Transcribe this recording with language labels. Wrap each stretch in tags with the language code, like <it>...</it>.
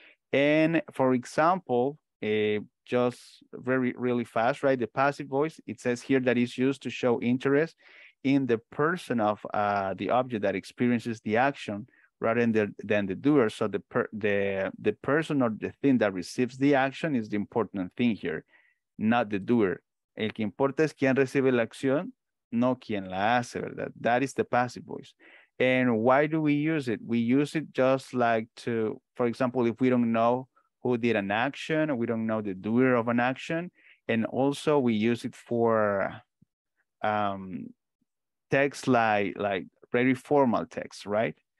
<en>And for example, just very, really fast, right? The passive voice, it says here that it's used to show interest in the person of the object that experiences the action rather than the doer. So the person or the thing that receives the action is the important thing here, not the doer.</en> <es>El que importa es quien recibe la acción, no quien la hace, ¿verdad?</es> <en>That is the passive voice. And why do we use it? We use it just like to, for example, if we don't know who did an action, we don't know the doer of an action. And also we use it for texts like very formal texts, right?</en>